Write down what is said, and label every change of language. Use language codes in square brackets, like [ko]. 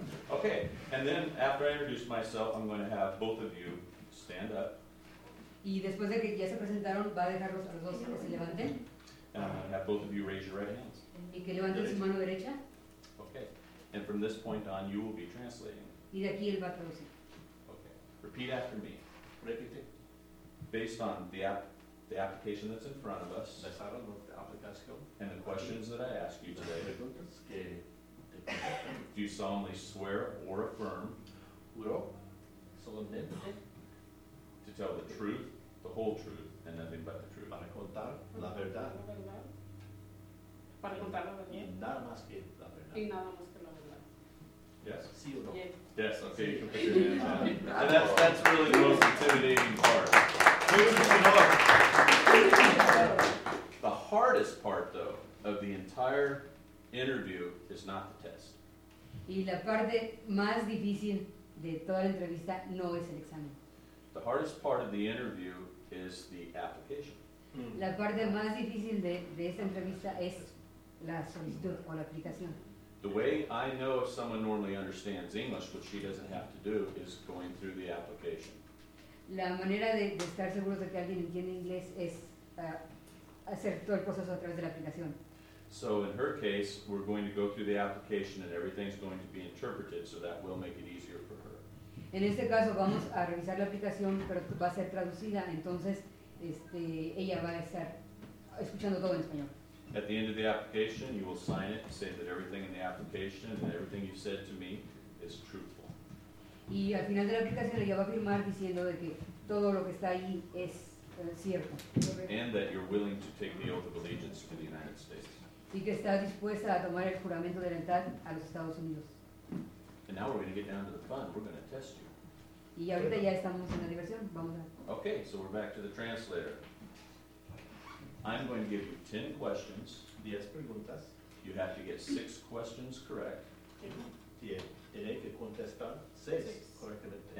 [en] Okay, and then after I introduce myself, I'm going to have both of you stand up. [es] Y después de que ya se presentaron, va a dejarlos a los dos que se levanten. [en] Have both of you raise your right hands. [es] Y que levanten su mano derecha. [en] Okay. And from this point on, you will be translating. [es] Y de aquí él va a traducir. [en] Okay. Repeat after me. [es] Repite. [en] Based on the application that's in front of us. [es] Basado en la aplicación. [en] And the questions that I ask you today. [es] Preguntas que. [en] Do you solemnly swear or affirm? [es] Juro solemnemente. [en] To tell the truth, the whole truth, and nothing but the truth. [es] Para contar la verdad. Para contar la verdad. Y nada más que la verdad. Y nada más que la verdad. [en] Yes? [es] Sí o no? [en] Yeah. Yes, okay, you can put your hands on. And that's really the most intimidating part. The hardest part, though, of the entire interview is not the test. [es] Y la parte más difícil de toda la entrevista no es el examen. [en] The hardest part of the interview is the application. [es] La parte más difícil de esta entrevista es la solicitud o la aplicación. [en] The way I know if someone normally understands English, which she doesn't have to do, is going through the application. [es] La manera de estar seguros de que alguien entiende inglés es hacer todo el proceso a través de la aplicación. [en] So in her case, we're going to go through the application and everything's going to be interpreted, so that will make it easier for her. [es] En este caso, vamos a revisar la aplicación, pero va a ser traducida, entonces este, ella va a estar escuchando todo en español. [en] At the end of the application, you will sign it, say that everything in the application and everything you said to me is truthful. [es] Y al final de la aplicación, ella va a firmar diciendo de que todo lo que está ahí es cierto. [en] And that you're willing to take the oath of allegiance to the United States. [es] Y que está dispuesta a tomar el juramento de lealtad a los Estados Unidos. [en] And now we're going to get down to the fun. We're going to test you. [es] Y ahorita ya estamos en la diversión. Vamos a... [en] Okay, so we're back to the translator. I'm going to give you 10 questions. [es] 10 preguntas. [en] You have to get 6 questions correct. [es] Tiene que contestar 6 correctamente.